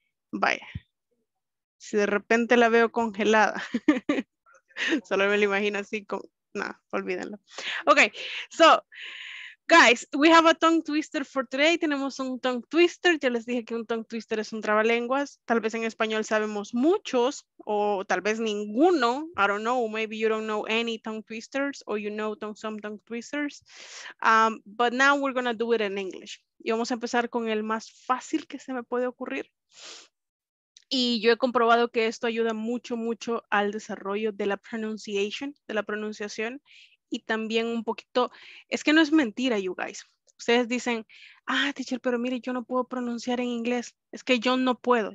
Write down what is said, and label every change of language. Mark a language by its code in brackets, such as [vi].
[es] Vaya, si de repente la veo congelada, solo me lo imagino así con... No, olvídenlo. [en] Ok, so, guys, we have a tongue twister for today. [es] Tenemos un tongue twister. Ya les dije que un tongue twister es un trabalenguas. Tal vez en español sabemos muchos, o tal vez ninguno. [en] I don't know. Maybe you don't know any tongue twisters, or you know some tongue twisters. But now we're going to do it in English. [es] Y vamos a empezar con el más fácil que se me puede ocurrir. Y yo he comprobado que esto ayuda mucho, mucho al desarrollo de la pronunciation, de la pronunciación. Y también un poquito, es que no es mentira, [en] you guys. [es] Ustedes dicen, ah, teacher, pero mire, yo no puedo pronunciar en inglés. Es que yo no puedo.